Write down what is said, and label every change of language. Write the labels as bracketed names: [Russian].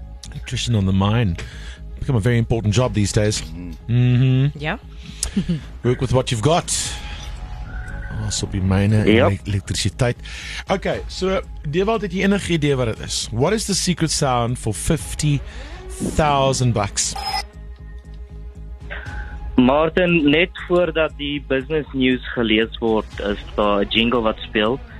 [English] Electrician on the mine. Become a very important job these days. Yeah. Work with what you've got. [Afrikaans] Ons op die myne en elektrisiteit. Okay, so, Diewald, het jy enige idee wat dit is? [English] What is the secret sound for 50,000 bucks? [Afrikaans] Martin, net voordat die business news gelees word, is daar 'n jingle wat speel.